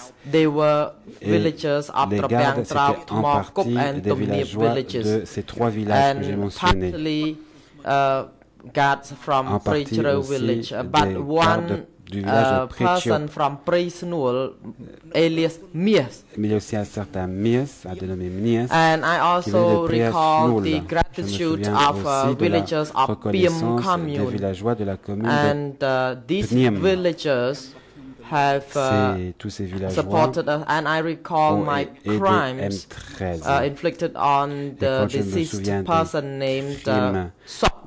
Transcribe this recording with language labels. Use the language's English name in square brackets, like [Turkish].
[English] they were villagers of the Bangtrau, Mokkup, and Tomnib villages. And partly guards from Prichro village, but one person from Prisnul, alias Mies. [French] Mais aussi un certain Mies, a dénommé Mies. [English] And I also recall the gratitude of villagers of Piem commune. [French] De la commune. [English] And these Pnim. Villagers have [French] tous ces villageois [English] supported us. And I recall my crimes inflicted on the deceased person named Sok.